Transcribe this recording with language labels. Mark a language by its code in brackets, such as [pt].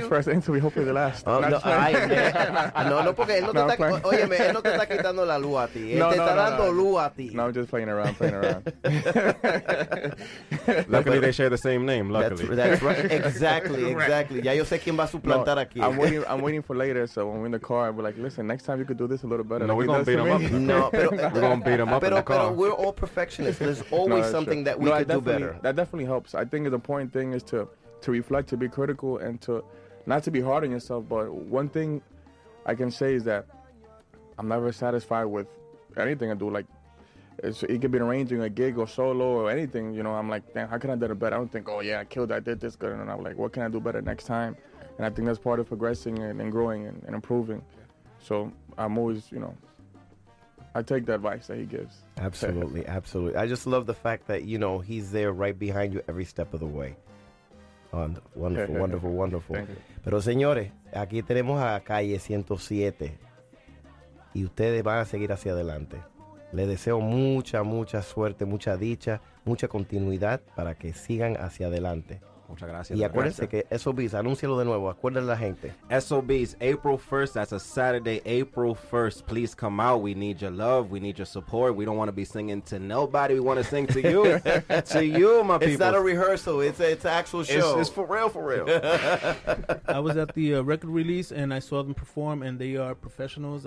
[en] His first interview, hopefully the last. [es] Porque él no te está. Oye, él no te está quitando la luz a ti. [en] No, I'm just playing around. Luckily, they share the same name. Luckily. That's, Exactly, exactly. [es] Ya yo sé quién va a suplantar aquí. [en] I'm waiting for later, so when we're in the car, I'll be like, listen, next time you could do this a little better. No, we're going to beat him up. [es] No, pero, [en] we're going to beat him up [es] pero, [en] in the car. But we're all perfectionists. There's always something true. that we could do better. That definitely helps. I think the important thing is to reflect, to be critical, and to not to be hard on yourself. But one thing I can say is that I'm never satisfied with anything I do. Like, it could be arranging a gig or solo or anything. You know, I'm like, damn, how can I do it better? I don't think, oh, yeah, I killed it. I did this good. And I'm like, what can I do better next time? And I think that's part of progressing and growing and improving. So I'm always, you know, I take the advice that he gives. Absolutely, absolutely. I just love the fact that, you know, he's there right behind you every step of the way. Wonderful, wonderful, wonderful. [es] Pero señores, aquí tenemos a Calle 107. Y ustedes van a seguir hacia adelante. Les deseo mucha, mucha suerte, mucha dicha, mucha continuidad para que sigan hacia adelante. Muchas gracias. Y acuérdense que SOBs, anúncialo de nuevo, acuérdense la gente. [en] SOBs, April 1st, that's a Saturday, April 1st. Please come out. We need your love. We need your support. We don't want to be singing to nobody. We want to sing to you. To you, my people. It's not a rehearsal. It's an actual show. It's for real, for real. I was at the record release, and I saw them perform, and they are professionals.